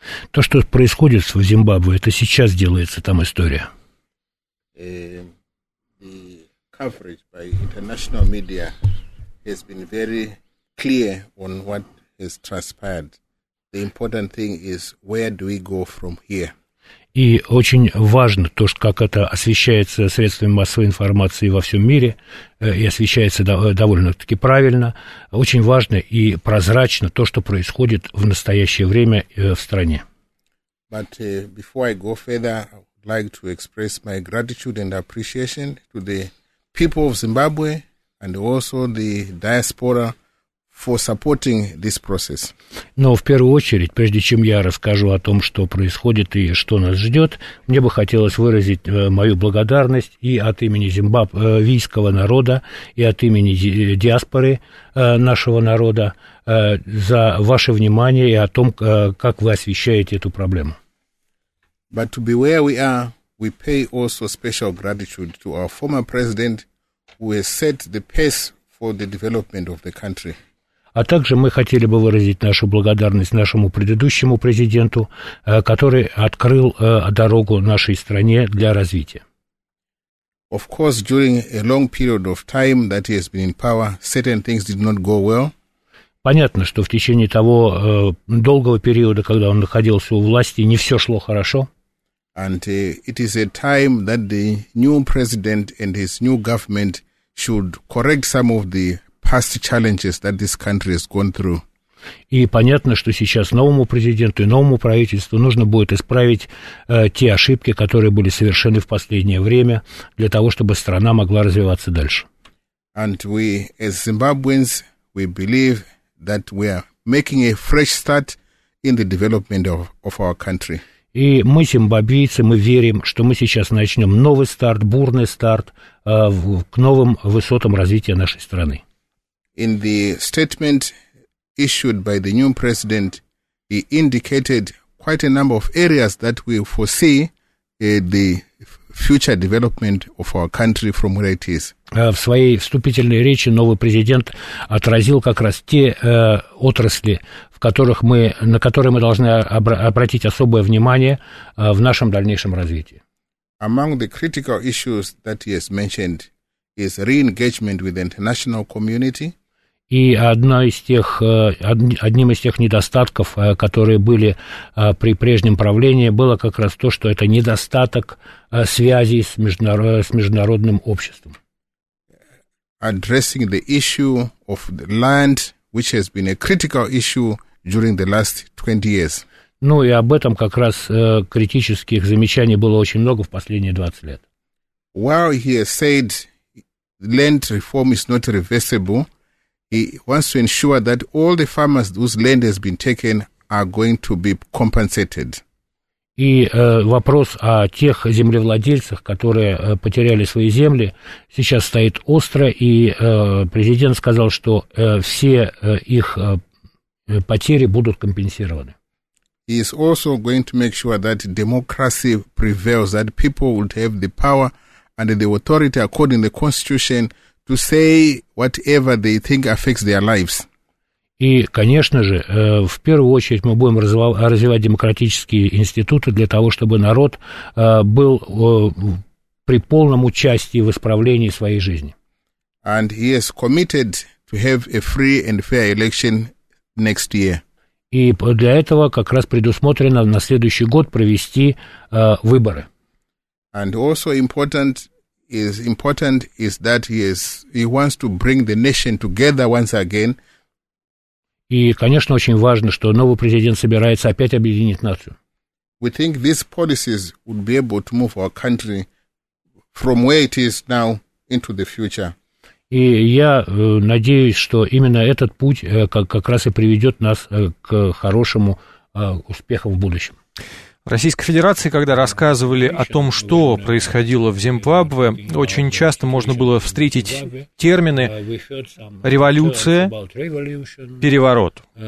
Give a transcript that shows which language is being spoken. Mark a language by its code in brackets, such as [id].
[ru] То, что происходит в Зимбабве, это сейчас делается там история. [en] The coverage by international media has been very clear on what has transpired. The important thing is, where do we go from here? [ru] И очень важно то, что как это освещается средствами массовой информации во всем мире, и освещается довольно-таки правильно. Очень важно и прозрачно то, что происходит в настоящее время в стране. [en] But before I go further, I would like to express my gratitude and appreciation to the people of Zimbabwe and also the diaspora for supporting this process. [ru] Но в первую очередь, прежде чем я расскажу о том, что происходит и что нас ждет, мне бы хотелось выразить мою благодарность и от имени зимбабвийского народа, и от имени диаспоры нашего народа за ваше внимание и о том, как вы освещаете эту проблему. [en] But to be where we are, we pay also special gratitude to our former president, who has set the pace for the development of the country. [ru] А также мы хотели бы выразить нашу благодарность нашему предыдущему президенту, который открыл дорогу нашей стране для развития. [en] Of course, during a long period of time that he has been in power, certain things did not go well. [ru] Понятно, что в течение того долгого периода, когда он находился у власти, не все шло хорошо. [en] And it is a time that the new president and his new government should correct some of the past challenges that this country has gone through. [ru] И понятно, что сейчас новому президенту и новому правительству нужно будет исправить те ошибки, которые были совершены в последнее время, для того, чтобы страна могла развиваться дальше. [en] And we, as Zimbabweans, we believe that we are making a fresh start in the development of our country. [ru] И мы, зимбабвийцы, мы верим, что мы сейчас начнем новый старт, бурный старт к новым высотам развития нашей страны. [en] In the statement issued by the new president, he indicated quite a number of areas that we foresee the future development of our country from where it is. [ru] В своей вступительной речи новый президент отразил как раз те отрасли, в которых мы, на которые мы должны обратить особое внимание в нашем дальнейшем развитии. [en] Among the critical issues that he has mentioned is re-engagement with the international community. [ru] И одним из тех недостатков, которые были при прежнем правлении, было как раз то, что это недостаток связи с международным обществом. [en] Addressing the issue of the land, which has been a critical issue during the last 20 years. [ru] Ну и об этом как раз критических замечаний было очень много в последние 20 лет. [en] While he has said land reform is not reversible, he wants to ensure that all the farmers whose land has been taken are going to be compensated. [ru] И вопрос о тех землевладельцах, которые потеряли свои земли, сейчас стоит остро, и президент сказал, что все их потери будут компенсированы. [en] He is also going to make sure that democracy prevails, that people would have the power and the authority according to the constitution to say whatever they think affects their lives. [ru] И, конечно же, в первую очередь мы будем развивать демократические институты для того, чтобы народ был при полном участии в исправлении своей жизни. [en] And he is committed to have a free and fair election next year. [ru] И для этого как раз предусмотрено на следующий год провести выборы. [en] And also important is that he wants to bring the nation together once again. [ru] И, конечно, очень важно, что новый президент собирается опять объединить нацию. [en] We think these policies would be able to move our country from where it is now into the future. [ru] И я надеюсь, что именно этот путь как раз и приведет нас к хорошему успеху в будущем. В Российской Федерации, когда рассказывали о том, что происходило в Зимбабве, очень часто можно было встретить термины «революция», «переворот».